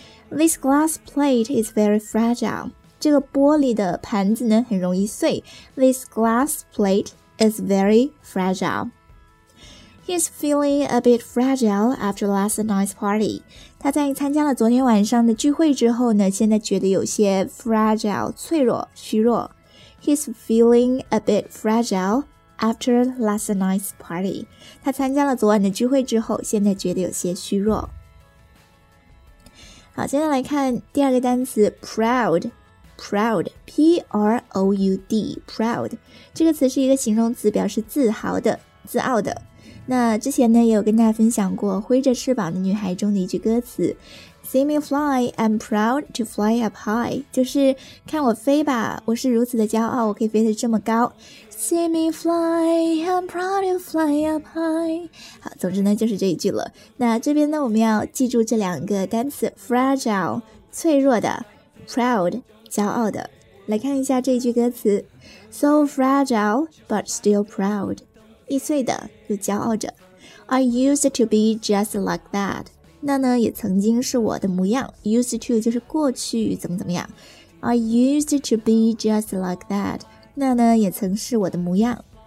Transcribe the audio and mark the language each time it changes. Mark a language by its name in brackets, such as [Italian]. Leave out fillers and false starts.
[English] This glass plate is very fragile. [Chinese] 这个玻璃的盘子呢很容易碎。 [English] This glass plate is very fragile. He's feeling a bit fragile after last night's party. [Chinese] 他在参加了昨天晚上的聚会之后呢，现在觉得有些 fragile, 脆弱、虚弱。 [English] He's feeling a bit fragile after last night's party. [Chinese] 他参加了昨晚的聚会之后，现在觉得有些虚弱。好，现在来看第二个单词 proud, P-R-O-U-D, proud， 这个词是一个形容词，表示自豪的、自傲的。那之前呢也有跟大家分享过《挥着翅膀的女孩》中的一句歌词 [English] See me fly, I'm proud to fly up high， [Chinese] 就是看我飞吧，我是如此的骄傲，我可以飞得这么高。 [English] See me fly, I'm proud to fly up high。 [Chinese] 好，总之呢就是这一句了。那这边呢我们要记住这两个单词 fragile, 脆弱的， proud, 骄傲的。来看一下这一句歌词 [English] So fragile, but still proud， [Chinese] 易碎的又骄傲着。 [English] I used to be just like that， [Chinese] 那呢也曾经是我的模样， used to 就是过去怎么怎么样。 [English] I used to be just like that， [Chinese] 那呢也曾是我的模样。